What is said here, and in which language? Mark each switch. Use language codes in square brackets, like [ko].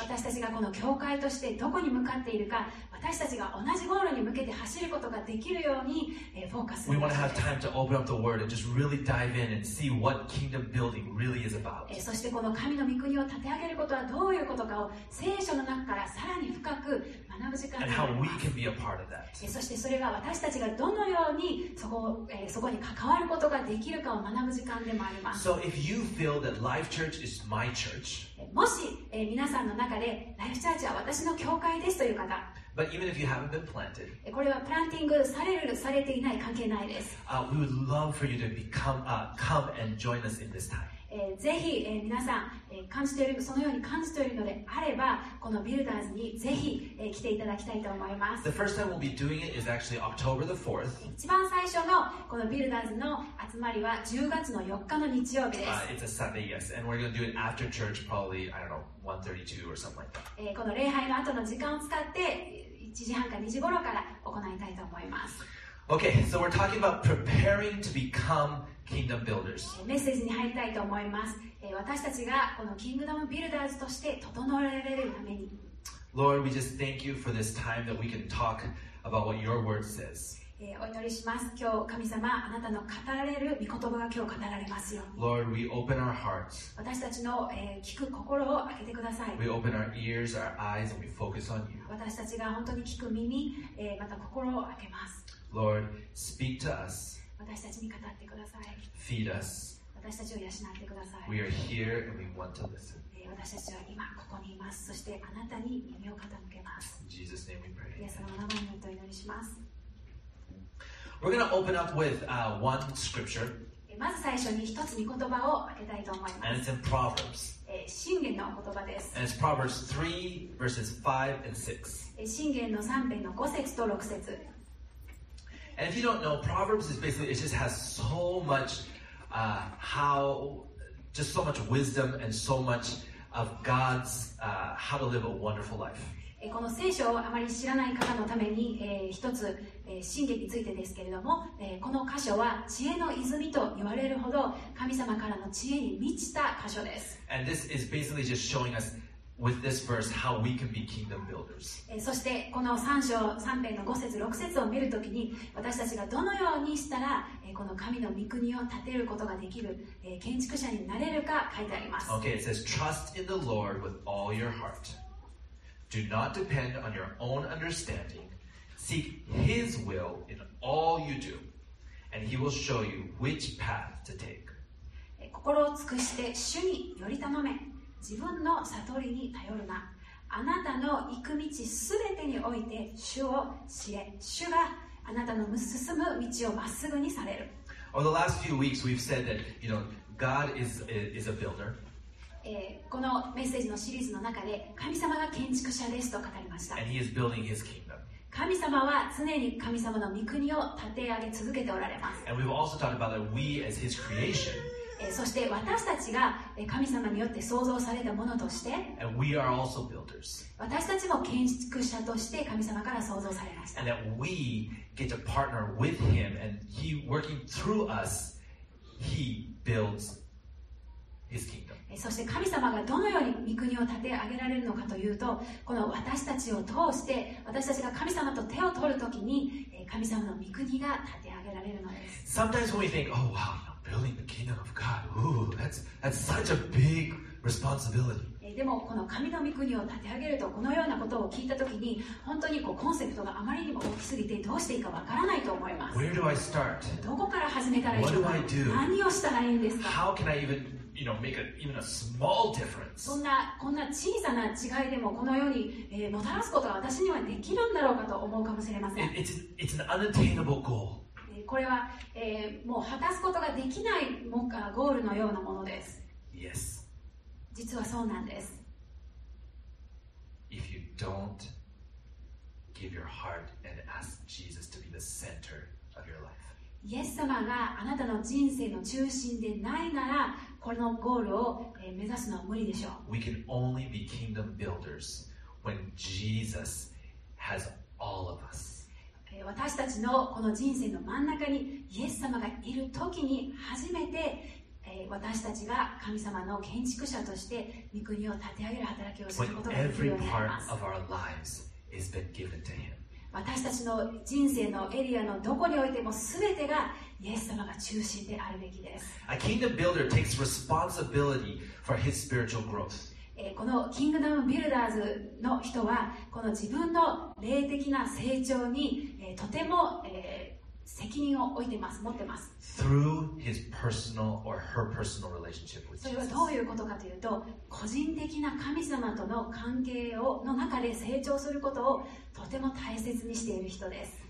[ja] 私たちがこの教会としてどこに向かっているか、私たちが同じゴールに向けて走ることができるようにフォーカス。 [en] We want to have time to open up the word and just really dive in and see what kingdom building really is about. [ja] そしてこの神の御国を立て上げることはどういうことかを聖書の中からさらに深く学ぶ時間。 [en] And how we can be a part of that. [ja] そしてそれが私たちがどのようにそこに関わることができるかを学ぶ時間でもあります。 [en] So if you feel that Life Church is my church, [ja] もし皆さんの中でライフチャーチは私の教会ですという方。 [en] But even if you haven't been planted, [ja] これはプランティングされるされていない関係ないです。 [en] We would love for you to come and join us in this time. [ja] ぜひ皆さん感じているそのように感じているのであれば、このビルダーズにぜひ来ていただきたいと思います。 [en] The first time we'll be doing it is actually October the 4th. [ja] 一番最初のこのビルダーズの集まりは10月の4日の日曜日です。 [en] It's a Sunday, yes, and we're going to do it after church, probably I don't know. 1:32 or something like that. [ja] この礼拝の後の時間を使って1時半か2時頃から行いたいと思います。 [en] Okay, so we're talking about preparing to become kingdom builders. [ja] メッセージに入りたいと思います。私たちがこのキングダムビルダーズとして整えられるために、 [en] Lord, we just thank you for this time that we can talk about what your word says. [ja] お祈りします。今日神様、あなたの語られる御言葉が今日語られますように。 [en] Lord, we open our hearts. [ja] 私たちの、聞く心を開けてください。 [en] We open our ears, our eyes, and we focus on you. [ja] 私たちが本当に聞く耳、また心を開けます。 [en] Lord, speak to us. [ja] 私たちに語ってください。 [en] Feed us. [ja] 私たちを養ってください。 [en] We are here and we want to listen. [ja] 私たちは今ここにいます。そしてあなたに耳を傾けます。 [en] In Jesus' name we pray. [ja] イエス様の名前によってお祈りします。 [en] We're going to open up with one scripture. [ja] まず最初に一つ御言葉を開けたいと思います。 [en] And it's in Proverbs. [ja] 箴言の言葉です。 [en] And it's Proverbs 3 verses 5 and 6. [ja] 箴言の3編の5節と6節。 [en] And if you don't know, Proverbs is basically, it just has so much, how, just so much wisdom and so much of God's, how to live a wonderful life. [ja] この聖書をあまり知らない方のために、一つ、箴言についてですけれども、この箇所は知恵の泉と言われるほど神様からの知恵に満ちた箇所です。 [en] And this is basically just showing us with this verse how we can be kingdom builders. [ja] そしてこの3章3編の5節6節を見るときに私たちがどのようにしたら、この神の御国を建てることができる、建築者になれるか書いてあります。 [en] Okay, it says, trust in the Lord with all your heart. Do not depend on your own understanding. Seek His will in all you do, and He will show you which path to take. [ja] 心を尽くして主により頼め、自分の悟りに頼るな。あなたの行く道すべてにおいて主を知れ、主があなたの進む道をまっすぐにされる。 [en] Over the last few weeks, we've said that, you know, God is a builder. [ja] このメッセージのシリーズの中で、神様が建築者ですと語りました。 [en] And He is building His kingdom. [ja] 神様は常に神様の御国を立て上げ続けておられます。 [en] And we've also talked about that we as His creation. [ja] そして私たちが神様によって創造されたものとして、 [en] And we are also builders. [ja] 私たちも建築者として神様から創造されました。 [en] And that we get to partner with Him and He working through us, He builds His kingdom. [ja] そして神様がどのように御国を立て上げられるのかというと、この私たちを通して私たちが神様と手を取るときに神様の御国が立て上げられるのです。 [en] Sometimes when we think, oh wow, building the kingdom of God, ooh, that's such a big responsibility. [ja] でもこの神の御国を立て上げると、このようなことを聞いたときに本当にこうコンセプトがあまりにも大きすぎてどうしていいかわからないと思います。 [en] Where do I start? [ja] どこから始めたらいいのか。 [en] What do I do? [ja] 何をしたらいいんですか。 [en] How can I evenYou know, make even a small difference. [ja] そんなこんな小さな違いでもこの世に、もたらすことは私にはできるんだろうかと思うかもしれません。 [en] It's an unattainable goal. [ja] これは、もう果たすことができないゴールのようなものです。 [en] Yes. [ja] 実はそうなんです。 [en] If you don't give your heart and ask Jesus to be the center of your life. [ja] イエス様があなたの人生の中心でないなら、このゴールを目指すのは無理でしょう。 [en] We can only be kingdom builders when Jesus has all of us. [ja] 私たちのこの人生の真ん中にイエス様がいるときに初めて私たちが神様の建築者として御国を立て上げる働きをすることができるようになります。 [en] When every part of our lives has been given to Him. [ja] 私たちの人生のエリアのどこにおいても全てがイエス様が中心であるべきです。 [en] A kingdom builder takes responsibility for his spiritual growth. [ja] このキングダムビルダーズの人はこの自分の霊的な成長にとても責任を置いてます、持ってます。 [en] Through his personal or her personal relationship with Jesus. [ja] それはどういうことかというと、個人的な神様との関係をの中で成長することをとても大切にしている人です。